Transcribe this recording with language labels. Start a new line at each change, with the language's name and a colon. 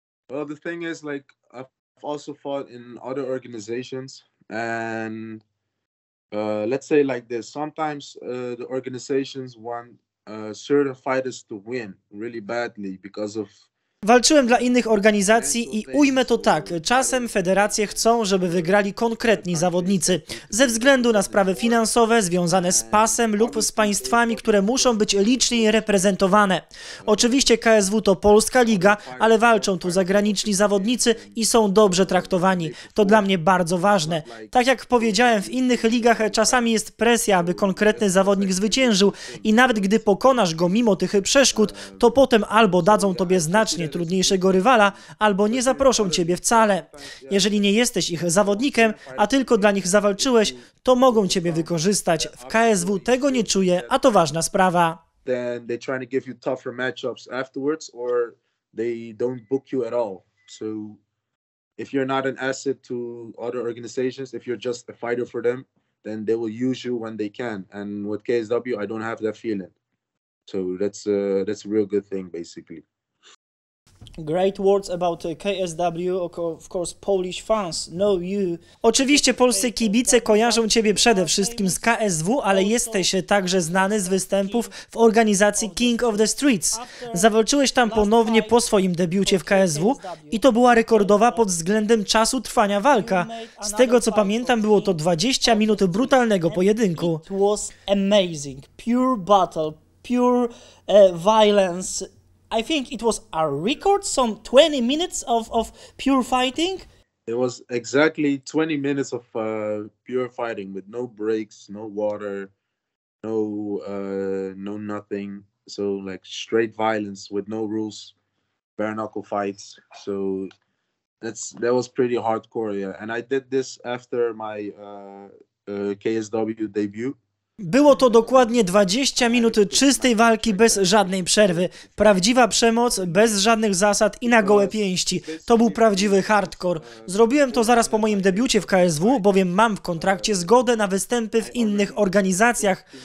English: Well, the thing is, like, I've also fought in other organizations, and let's say like this. Sometimes the organizations want certain fighters to win really badly because of.
Polish: Walczyłem dla innych organizacji i ujmę to tak, czasem federacje chcą, żeby wygrali konkretni zawodnicy. Ze względu na sprawy finansowe związane z pasem lub z państwami, które muszą być liczniej reprezentowane. Oczywiście KSW to polska liga, ale walczą tu zagraniczni zawodnicy i są dobrze traktowani. To dla mnie bardzo ważne. Tak jak powiedziałem, w innych ligach czasami jest presja, aby konkretny zawodnik zwyciężył i nawet gdy pokonasz go mimo tych przeszkód, to potem albo dadzą tobie znacznie trudniejszego rywala, albo nie zaproszą ciebie wcale. Jeżeli nie jesteś ich zawodnikiem, a tylko dla nich zawalczyłeś, to mogą ciebie wykorzystać. W KSW tego nie czuję, a to ważna sprawa.
English: Then they try to give you tougher matchups afterwards, or they don't book you at all. So if you're not an asset to other organizations, if you're just a fighter for them, then they will use you when they can. And with KSW, I don't have that feeling. So that's a real good thing, basically. Great words about KSW, of course Polish fans know you.
Polish: Oczywiście polscy kibice kojarzą ciebie przede wszystkim z KSW, ale jesteś także znany z występów w organizacji King of the Streets. Zawalczyłeś tam ponownie po swoim debiucie w KSW i to była rekordowa pod względem czasu trwania walka. Z tego co pamiętam, było to 20 minut brutalnego pojedynku.
English: It was amazing. Pure battle, pure violence. I think it was a record, some 20 minutes of pure fighting. It was exactly 20 minutes of pure fighting with no breaks, no water, no nothing. So like straight violence with no rules, bare knuckle fights. So that was pretty hardcore, yeah. And I did this after my KSW debut.
Polish: Było to dokładnie 20 minut czystej walki bez żadnej przerwy. Prawdziwa przemoc, bez żadnych zasad i na gołe pięści. To był prawdziwy hardcore. Zrobiłem to zaraz po moim debiucie w KSW, bowiem mam w kontrakcie zgodę na występy w innych organizacjach.